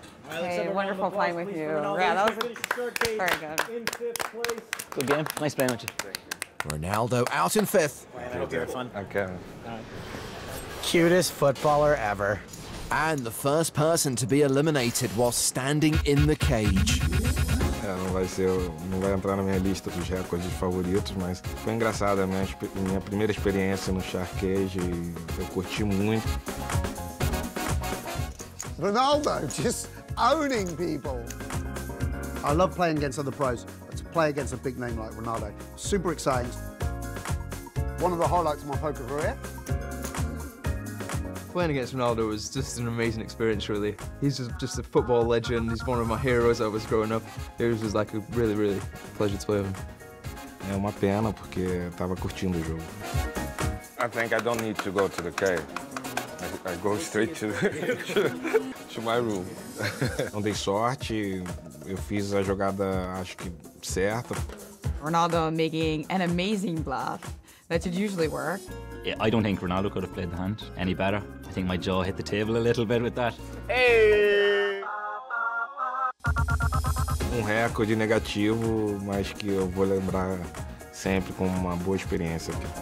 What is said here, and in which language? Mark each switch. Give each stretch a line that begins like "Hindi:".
English: Hey, wonderful playing with you. Yeah, that was very good. Good game. Nice playing with you. Ronaldo out in fifth. Okay. Cutest footballer ever. And the first person to be eliminated while standing in the cage.
Portuguese: Não vai entrar na minha lista dos recordes favoritos, mas foi engraçado. A minha primeira experiência no Shark Cage, eu curti muito.
English: Ronaldo, just owning people. I love playing against other pros, but to play against a big name like Ronaldo, super exciting. One of the highlights of my poker career. Playing against Ronaldo was just an amazing experience, really. He's just a football legend. He's one of my heroes as I was growing up. It was just like a really, really pleasure to play with him.
Portuguese: É uma pena porque tava curtindo o jogo.
English: I think I don't need to go to the cave. I go straight to my room.
Portuguese: Não dei sorte. Eu fiz a jogada, acho que certa.
English: Ronaldo making an amazing bluff. That should usually work. Yeah, I don't think Ronaldo could have played the hand any better. I think my jaw hit the table a little bit with that. Hey!
Portuguese: Recorde negativo, mas que eu vou lembrar sempre como uma boa experiência.